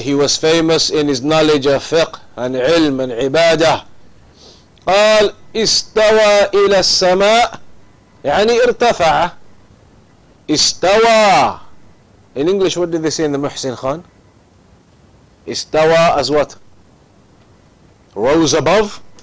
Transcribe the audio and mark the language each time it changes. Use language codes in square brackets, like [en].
[en] He was famous in his knowledge of fiqh and علم and عبادة. [ar] قال استوى إلى السماء يعني ارتفع. استوى. [en] In English, what did they say in the Muhsin Khan? Istawa as what? Rose above?